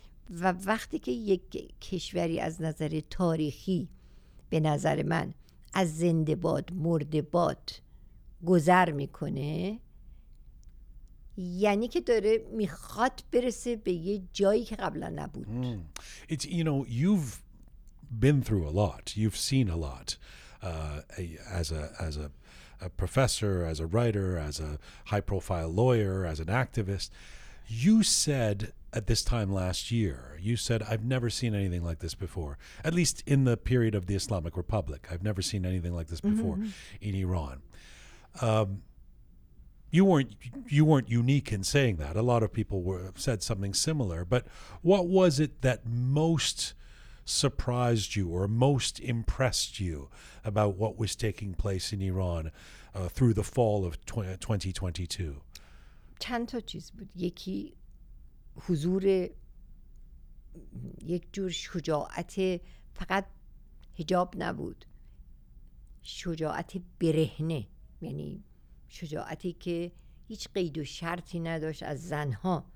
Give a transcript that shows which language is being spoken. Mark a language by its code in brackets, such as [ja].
[fa] و وقتی که یک کشوری از نظر تاریخی به نظر من از زنده باد مرده باد گذر میکنه، یعنی که داره میخواد برسه به یه جایی که قبلا نبود. [en] It's, you know, you've been through a lot, you've seen a lot, as a professor, as a writer, as a high profile lawyer, as an activist. You said at this time last year, you said, I've never seen anything like this before, at least in the period of the Islamic Republic. I've never seen anything like this before in Iran. You weren't unique in saying that. A lot of people said something similar. But what was it that most surprised you or most impressed you about what was taking place in Iran through the fall of 2022? [fa] چند تا چیز بود. یکی حضور یک جور شجاعت، فقط حجاب نبود، شجاعت برهنه، یعنی شجاعتی که هیچ قید و شرطی نداشت از زنها.